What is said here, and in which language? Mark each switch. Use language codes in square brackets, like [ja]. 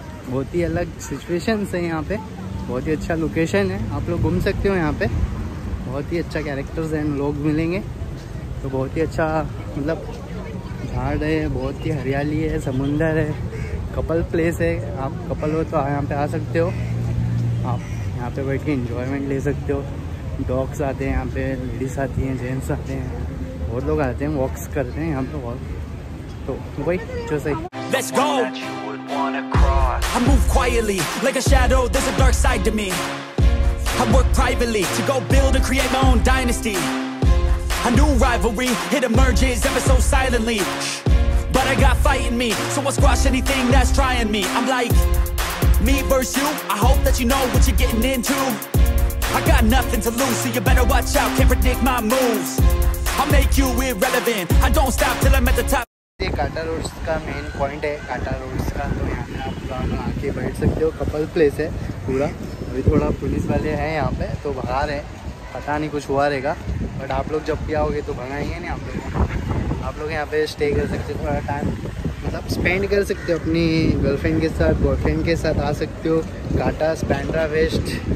[hi] बहुत ही अलग सिचुएशन है यहाँ पे, बहुत ही अच्छा लोकेशन है, आप लोग घूम सकते हो यहाँ पे, बहुत ही अच्छा कैरेक्टर्स हैं, लोग मिलेंगे तो बहुत ही अच्छा, मतलब झाड़ है, बहुत ही हरियाली है, समुंदर है, कपल प्लेस है। आप कपल हो तो यहाँ पे आ सकते हो, आप यहाँ पे बैठ के इंजॉयमेंट ले सकते हो। डॉग्स आते हैं यहाँ पे, लेडीज़ आती हैं, जेंट्स आते हैं, बहुत लोग आते हैं, वॉक्स करते हैं यहाँ पे वॉक। तो वही जो सही [en] I work privately to go build and create my own dynasty. A new rivalry, it emerges ever so silently. But I got fight in me, so I'll squash anything that's trying me. I'm like, me versus you, I hope that you know what you're getting into. I got nothing to lose, so you better watch out, can't predict my moves. I'll make you irrelevant, I don't stop till I'm at the top. [hi] ये काटा roads का main point है, काटा roads का। तो यहाँ पे आप लोग आके बैठ सकते हो, कपल प्लेस है पूरा। अभी थोड़ा पुलिस वाले हैं यहाँ पे तो भगा रहे हैं, पता नहीं कुछ हुआ रहेगा, बट आप लोग जब भी आओगे तो भगाएंगे नहीं आप लोग। आप लोग यहाँ पे स्टे कर सकते हो, थोड़ा टाइम मतलब स्पेंड कर सकते हो अपनी गर्लफ्रेंड के साथ, बॉयफ्रेंड के साथ आ सकते हो काटा स्पैंड्रा वेस्ट।